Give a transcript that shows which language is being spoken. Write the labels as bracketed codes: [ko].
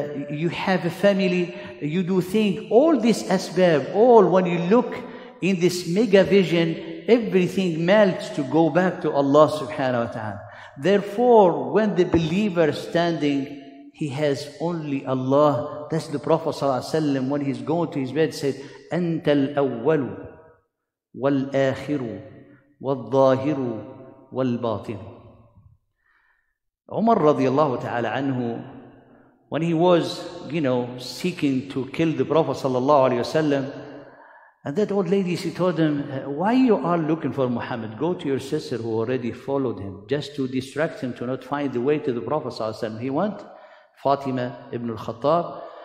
[en] You have a family. You do things. All this asbab, all when you look in this mega vision, everything melts to go back to Allah subhanahu wa ta'ala. Therefore, when the believer standing, he has only Allah. That's the Prophet sallallahu alaihi wasallam when he's going to his bed said, "Anta al-awwalu." [ar] والآخر والظاهر والباطن. [en] Umar [ar] رضي الله تعالى عنه, [en] when he was, you know, seeking to kill the Prophet [ar] صلى الله عليه وسلم, [en] and that old lady, she told him, why you are looking for Muhammad? Go to your sister who already followed him, just to distract him to not find the way to the Prophet [ar] صلى الله عليه وسلم. [en] He went, Fatima ibn al-Khattab,